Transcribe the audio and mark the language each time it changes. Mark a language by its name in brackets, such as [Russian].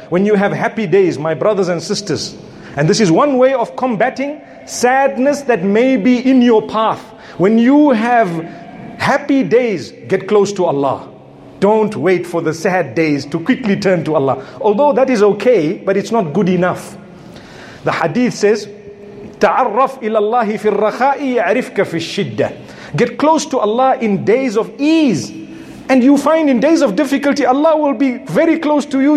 [English] When you have happy days, my brothers and sisters. And this is one way of combating sadness that may be in your path. When you have happy days, get close to Allah. Don't wait for the sad days to quickly turn to Allah. Although that is okay, but it's not good enough. The hadith says, [Arabic] تعرف إلى الله في الرخاء يعرفك في الشدة. [English] Get close to Allah in days of ease. And you find in days of difficulty, Allah will be very close to you.